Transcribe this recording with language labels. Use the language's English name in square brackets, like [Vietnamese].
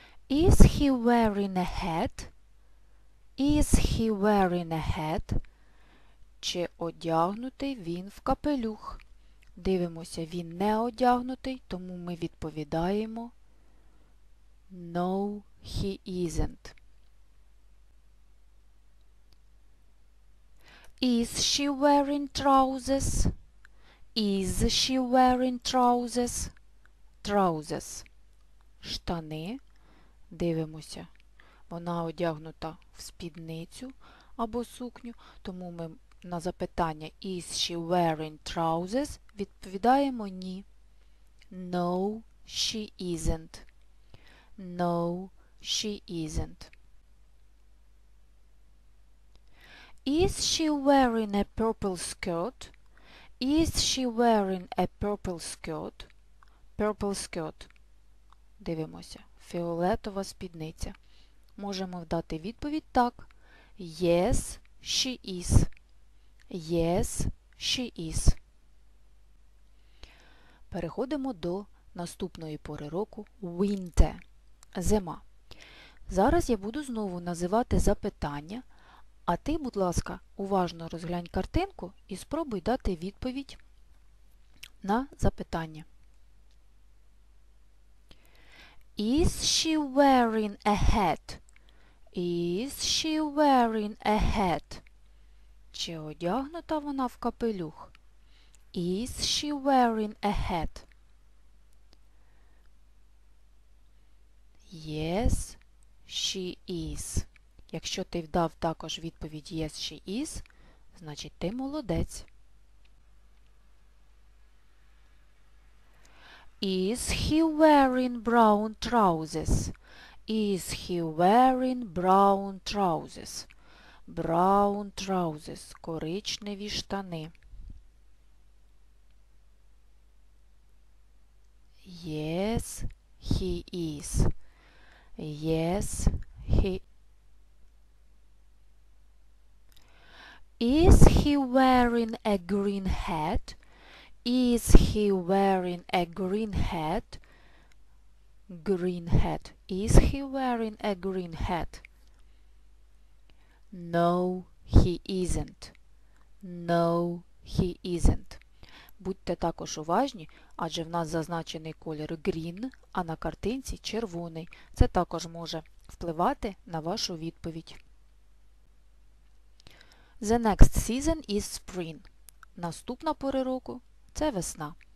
[English] «Is he wearing a hat?» Is he wearing a hat? [Ukrainian] Чи одягнутий він в капелюх? Дивимося, він не одягнутий, тому ми відповідаємо [English] No, he isn't. Is she wearing trousers? Is she wearing trousers? Trousers. [Ukrainian] Штани. Дивимося. Вона одягнута в спідницю або сукню, тому ми на запитання [English] Is she wearing trousers? [Ukrainian] Відповідаємо ні. [English] No, she isn't. No, she isn't. Is she wearing a purple skirt? Is she wearing a purple skirt? Purple skirt. [Ukrainian] Дивимося. Фіолетова спідниця. Можемо дати відповідь так. [English] Yes, she is. Yes, she is. [Ukrainian] Переходимо до наступної пори року – winter, зима. Зараз я буду знову називати запитання, а ти, будь ласка, уважно розглянь картинку і спробуй дати відповідь на запитання. [English] Is she wearing a hat? Is she wearing a hat? [Ukrainian] Чи одягнута вона в капелюх? [English] Is she wearing a hat? Yes, she is. [Ukrainian] Якщо ти вдав також відповідь [English] yes, she is, [Ukrainian] значить ти молодець. [English] Is he wearing brown trousers? Is he wearing brown trousers? Brown trousers [Ukrainian] – коричневі штани. [English] Yes, he is. Yes, he is. Is he wearing a green hat? Is he wearing a green hat? Green hat. Is he wearing a green hat? No, he isn't. No, he isn't. [Ukrainian] Будьте також уважні, адже в нас зазначений колір green, а на картинці червоний. Це також може впливати на вашу відповідь. [English] The next season is spring. [Ukrainian] Наступна пора року – це весна.